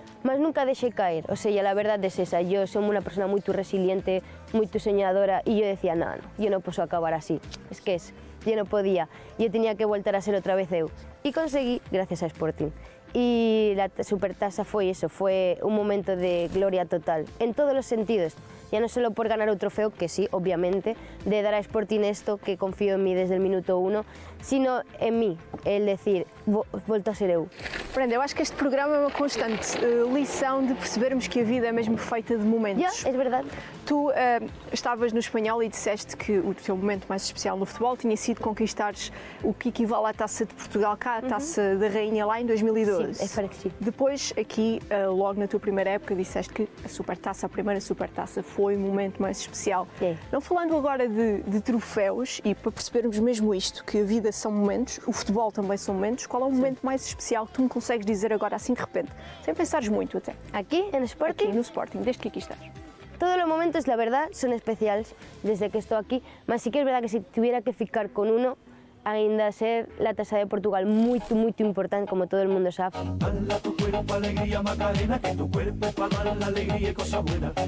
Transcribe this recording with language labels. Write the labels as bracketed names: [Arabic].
[Spanish] Mas nunca dejé caer, o sea, la verdad es esa, yo soy una persona muy resiliente, muy soñadora, y yo decía, no, no, yo no puedo acabar así, es que es, yo no podía, yo tenía que volver a ser otra vez eu, y conseguí gracias a Sporting. Y la Supertasa fue eso, fue un momento de gloria total, en todos los sentidos, ya no solo por ganar un trofeo, que sí, obviamente, de dar a Sporting esto, que confío en mí desde el minuto uno, sino en mí, el decir, vuelto a ser eu. [Portuguese] Brenda, eu acho que este programa é uma constante lição de percebermos que a vida é mesmo feita de momentos. Yeah, é verdade. Tu estavas no Espanhol e disseste que o teu momento mais especial no futebol tinha sido conquistares o que equivale à Taça de Portugal cá, a Taça da Rainha lá em 2012. Sim, espero que sim. Depois, aqui, logo na tua primeira época, disseste que a Supertaça, a primeira Supertaça, foi o momento mais especial. Yeah. Não falando agora de troféus, e para percebermos mesmo isto, que a vida são momentos, o futebol também são momentos, qual é o momento mais especial que tu me consegues dizer agora, assim, de repente? Sem pensares muito, até. Aqui, no Sporting? Aqui, no Sporting, desde que aqui estás. [Spanish] Todos los momentos, la verdad, son especiales desde que estoy aquí. Mas sí que es verdad que si tuviera que ficar con uno, ainda ser la Taça de Portugal muy, muy importante, como todo el mundo sabe. Dale a tu cuerpo alegría, Macarena, que tu cuerpo es para dar la alegría y cosa buena.